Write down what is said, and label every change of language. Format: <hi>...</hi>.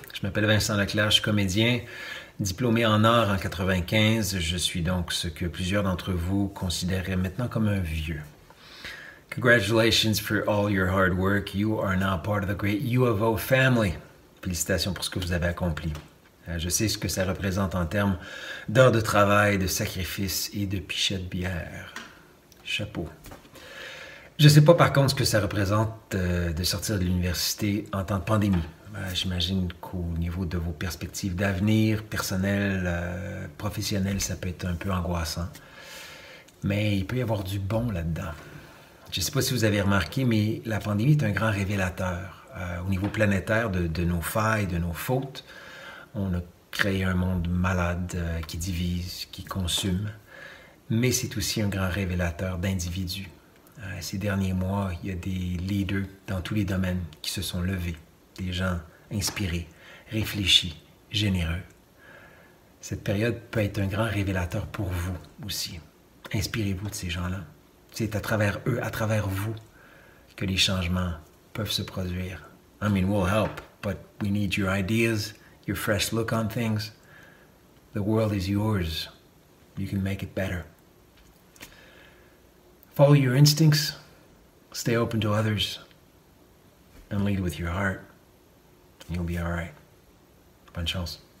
<fr>Je m'appelle Vincent Leclerc, je suis comédien, diplômé en art en 95. Je suis donc ce que plusieurs d'entre vous considéreraient maintenant comme un vieux.</fr> <en>Congratulations for all your hard work. You are now part of the great U of O family.</en> <fr>Félicitations pour ce que vous avez accompli. Je sais ce que ça représente en termes d'heures de travail, de sacrifices et de pichets de bière. Chapeau. Je ne sais pas par contre ce que ça représente de sortir de l'université en temps de pandémie. J'imagine qu'au niveau de vos perspectives d'avenir personnel, professionnel, ça peut être un peu angoissant. Mais il peut y avoir du bon là-dedans. Je ne sais pas si vous avez remarqué, mais la pandémie est un grand révélateur. Au niveau planétaire de nos failles, de nos fautes, on a créé un monde malade qui divise, qui consomme. Mais c'est aussi un grand révélateur d'individus. Ces derniers mois, il y a des leaders dans tous les domaines qui se sont levés, des gens inspirés, réfléchis, généreux. Cette période peut être un grand révélateur pour vous aussi. Inspirez-vous de ces gens-là. C'est à travers eux, à travers vous, que les changements peuvent se produire.</fr> <en>I mean, we'll help, but we need your ideas, your fresh look on things. The world is yours. You can make it better. Follow your instincts, stay open to others, and lead with your heart, and you'll be all right.</en> <fr>Bonne chance.</fr>